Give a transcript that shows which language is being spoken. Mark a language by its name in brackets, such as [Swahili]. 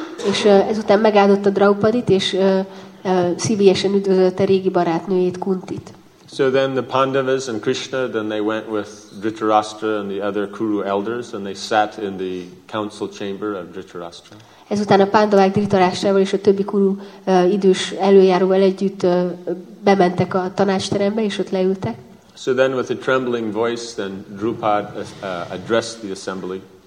[Hungarian] És ezután megáldotta Draupadit és szívélyesen üdvözölte régi barátnőjét Kuntit. [English] So then the Pandavas and Krishna, then they went with Dhritarashtra and the other Kuru elders, and they sat in the council chamber of Dhritarashtra. [Hungarian] Ezután a Pandavák Dhritarashtrával és a többi Kuru idős előjáróval együtt bementek a tanácsterembe, és ott leültek. [English] So then with a trembling voice, then Drupad addressed the assembly.